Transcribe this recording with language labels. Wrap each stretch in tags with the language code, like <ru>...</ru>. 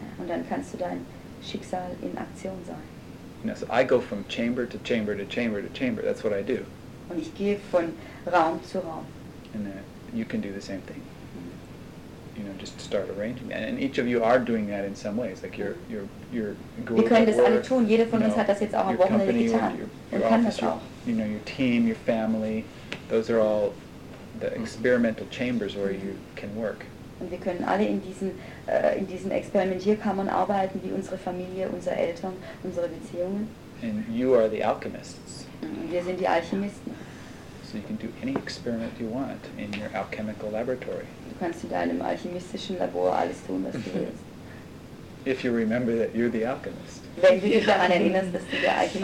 <de>Und dann kannst du dein Schicksal in Aktion sein.</de> <en>You know, so I go from chamber to chamber to chamber to chamber. That's what I do.</en> <de>Und ich gehe von Raum zu Raum.</de> <en>And you can do the same thing. You know, just start arranging that. And each of you are doing that in some ways. Like your group.</en> <de>Wir können das alle tun. Jeder von uns hat das jetzt auch am Wochenende getan.</de> <en>Your</en> <de>kann das auch.</de> <en>You know, your team, your family. Those are all the experimental chambers where you can work.</en> <de>Und wir können alle in diesen Experimentierkammern arbeiten, wie unsere Familie, unsere Eltern, unsere Beziehungen.</de> <en>And you are the alchemists.</en> <de>Und wir sind die Alchemisten.</de> <en>So you can do any experiment you want in your alchemical laboratory.</en> <de>Du kannst in deinem alchemistischen Labor alles tun, was du willst.</de> <en>If you remember that you're the alchemist.</en> <de>Wenn du dich daran erinnerst, dass du der Alchemist bist.</de>